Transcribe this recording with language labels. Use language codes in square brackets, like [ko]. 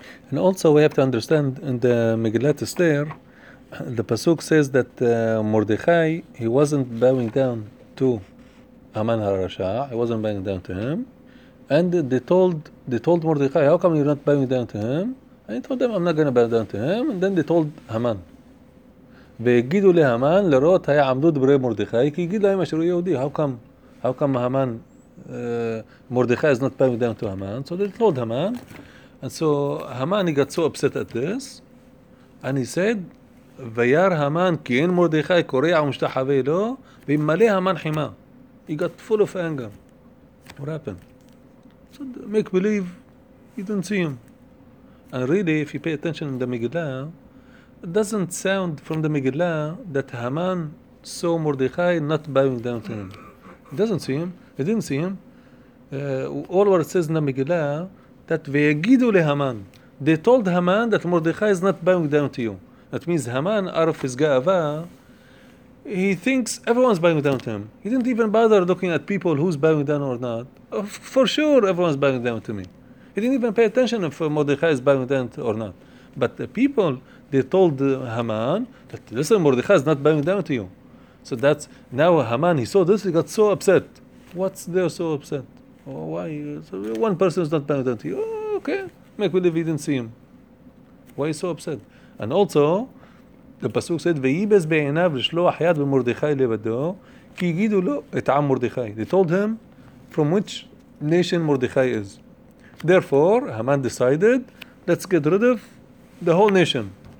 [en] And also, we have to understand in the Megillat Esther, the Pasuk says that Mordechai, he wasn't bowing down to Haman HaRasha, he wasn't bowing down to him. And they told Mordechai, how come you're not bowing down to him? And he told them, I'm not going to bow down to him. And then they told Haman. [he] ויגידו להמן לראות היעמדו דברי מרדכי כי יגיד להם אשר הוא יהודי. [en] How come המן מרדכי is not paying down to המן? So they told המן. And so המן, he got so upset at this. And he said, [he] ויאר המן כי אין מרדכי קורע ומשתחווה לו, וימלא המן חימה. [en] He got full of anger. What happened? So make believe, you didn't see him. And really, if you pay attention in the Megillah, it doesn't sound from the Megillah that Haman saw Mordechai not bowing down to him. He didn't see him. All what it says in the Megillah that ve'yagidu lehaman, they told Haman that Mordechai is not bowing down to you. That means Haman, out of his ga'ava, he thinks everyone's bowing down to him. He didn't even bother looking at people who's bowing down or not. For sure, everyone's bowing down to me. He didn't even pay attention if Mordechai is bowing down to or not. But the people, they told Haman that, listen, Mordechai is not bowing down to you. So that's, now Haman, he saw this, he got so upset. What's there so upset? Oh, why? So one person is not bowing down to you. Oh, okay, make believe he didn't see him. Why is he so upset? And also, the Pasuk said, [he] ויבז בעיניו לשלוח יד במרדכי לבדו, כי יגידו לו את עם מרדכי. [en] They told him from which nation Mordechai is. Therefore, Haman decided, let's get rid of the whole nation.